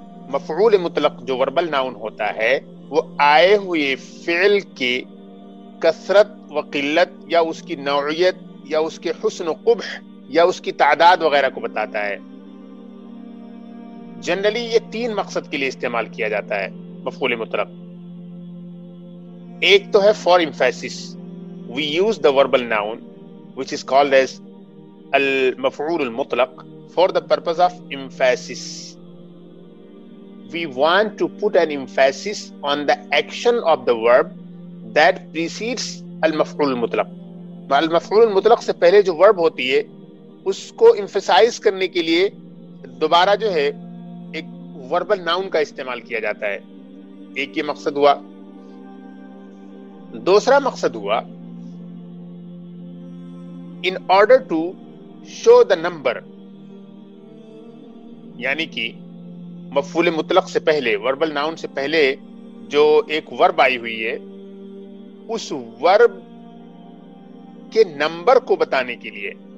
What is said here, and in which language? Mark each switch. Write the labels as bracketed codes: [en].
[ur] مفعول مطلق جو وربل ناؤن ہوتا ہے، وہ آئے ہوئے فعل کی کثرت و قلت، یا اس کی نوعیت، یا اس کے حسن و قبح، یا اس کی تعداد وغیرہ کو بتاتا ہے. جنرلی یہ تین مقصد کے لیے استعمال کیا جاتا ہے مفعول مطلق. ایک تو ہے [en] For emphasis, we use the verbal noun which is called as المفعول المطلق for the purpose of emphasis. We want to put an emphasis on the action of the verb that precedes al-maf'ul al-mutlaq. [ur] Al-maf'ul al-mutlaq سے پہلے جو verb ہوتی ہے اس کو emphasize کرنے کے لیے دوبارہ جو ہے ایک verbal noun کا استعمال کیا جاتا ہے. ایک یہ مقصد ہوا. دوسرا مقصد ہوا [en] in order to show the number، [ur] یعنی کہ مفعول مطلق سے پہلے، وربل ناؤن سے پہلے جو ایک ورب آئی ہوئی ہے، اس ورب کے نمبر کو بتانے کے لیے.